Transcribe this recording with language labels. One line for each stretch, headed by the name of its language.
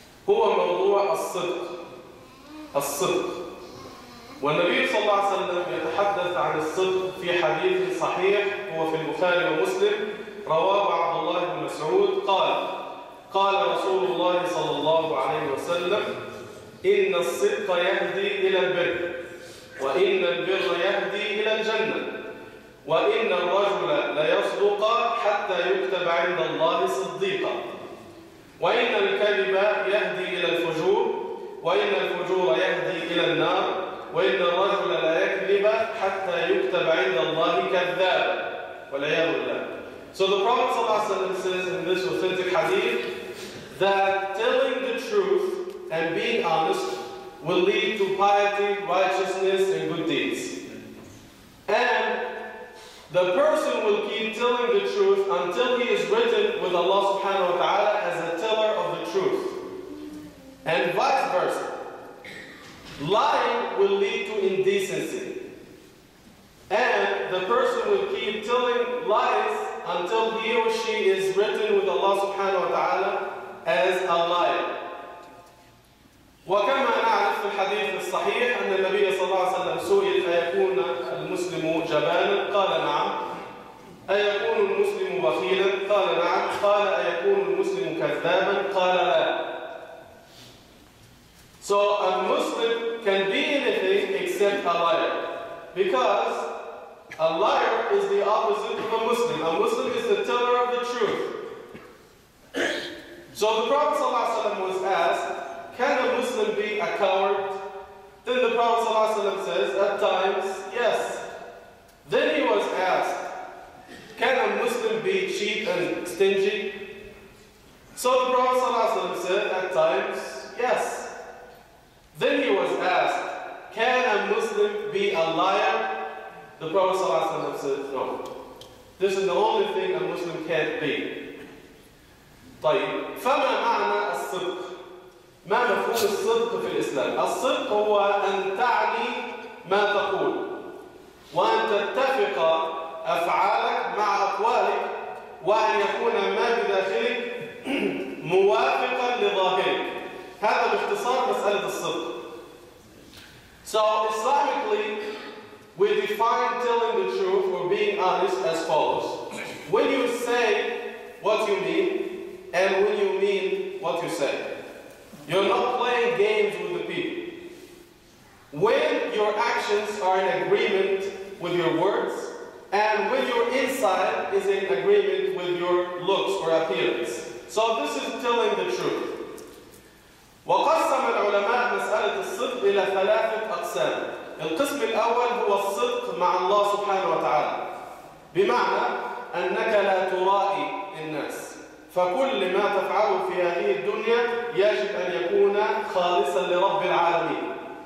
Arabic: هو موضوع الصدق. الصدق. والنبي صلى الله عليه وسلم يتحدث عن الصدق في حديث صحيح هو في البخاري ومسلم رواه عبد الله بن مسعود قال قال رسول الله صلى الله عليه وسلم إن الصدق يهدي إلى البر وإن البر يهدي إلى الجنة وإن الرجل ليصدق حتى يكتب عند الله صديقا وإن الكذب يهدي إلى الفجور وإن الفجور يهدي إلى النار وإن الرجل لا يكذب حتى يكتب عند الله كذاب والعياذ بالله.
English: So the Prophet
Arabic: صلى الله عليه وسلم
English: says in this authentic hadith that telling the truth and being honest will lead to piety, righteousness and good deeds. And the person will keep telling the truth until he is written with Allah subhanahu wa ta'ala as a teller of the truth. And vice versa. Lying will lead to indecency. And the person will keep telling lies until he or she is written with Allah subhanahu wa ta'ala as a liar.
Arabic: وكما نعرف في الحديث الصحيح أن النبي صلى الله عليه وسلم سئل أيكون المسلم جبانا؟ قال نعم. أيكون المسلم بخيلا؟ قال نعم. قال أيكون المسلم كذابا؟ قال لا.
English: So a Muslim can be anything except a liar. Because a liar is the opposite of a Muslim. A Muslim is the teller of the truth. So the Prophet ﷺ was asked, can a Muslim be a coward? Then the Prophet ﷺ says, at times, yes. Then he was asked, can a Muslim be cheap and stingy? So the Prophet ﷺ said, at times, yes. Then he was asked, can a Muslim be a liar? The Prophet ﷺ said, no. This is the only thing a Muslim can't be.
Arabic: طيب, فما معنى الصدق؟ ما مفهوم الصدق في الإسلام؟ الصدق هو أن تعني ما تقول وأن تتفق أفعالك مع أقوالك وأن يكون ما بداخلك موافقا لظاهرك. هذا باختصار مسألة الصدق.
English: So Islamically, we define telling the truth or being honest as follows. When you say what you mean, and when you mean what you say, you're not playing games with the people. When your actions are in agreement with your words, and when your inside is in agreement with your looks or appearance. So this is telling the truth.
Arabic: وقسم العلماء مسألة الصدق إلى ثلاثة أقسام. القسم الأول هو الصدق مع الله سبحانه وتعالى، بمعنى أنك لا ترائي الناس، فكل ما تفعله في هذه الدنيا يجب أن يكون خالصا لرب العالمين.